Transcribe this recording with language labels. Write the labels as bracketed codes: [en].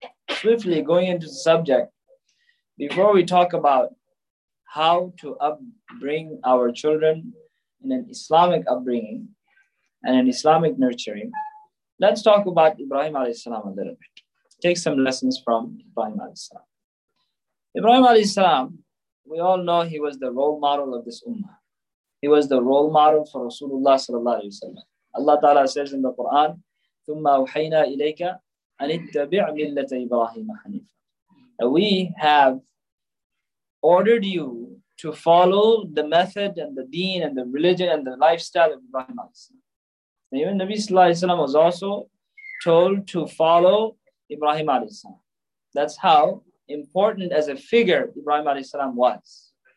[en] Swiftly going into the subject, before we talk about how to upbring our children in an Islamic upbringing and an Islamic nurturing, let's talk about Ibrahim alayhi salam a little bit. Take some lessons from Ibrahim alayhi salam. Ibrahim alayhi salam, we all know he was the role model of this ummah. He was the role model for Rasulullah sallallahu alayhi wa sallam. Allah ta'ala says in the Quran, [ar] ثُمَّ أَوْحَيْنَا إِلَيْكَ أَنِتَّبِعْ مِلَّةَ إِبْرَاهِيمَ حَنِيفًا. [en] We have ordered you to follow the method and the deen and the religion and the lifestyle of Ibrahim alayhi salam. Even Nabi sallallahu alayhi wa sallam was also told to follow Ibrahim alayhi salam. That's how important as a figure Ibrahim alayhi salam was.